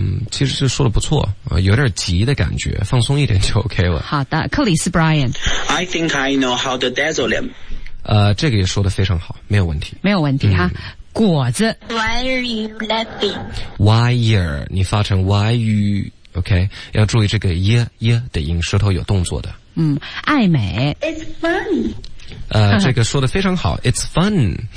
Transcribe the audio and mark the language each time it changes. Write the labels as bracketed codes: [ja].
[zh] 其实是说的不错有点急的感觉放松一点就 OK 了。好的克里斯 Brian. [en] I think I know how to dazzle him. [zh] 这个也说得非常好没有问题。没有问题哈。果子。 [en] Why are you laughing? [zh] Wire, 你发成 why you, OK, 要注意这个耶的音舌头有动作的。爱美。 [en] It's fun. [zh] 这个说得非常好 , it's fun.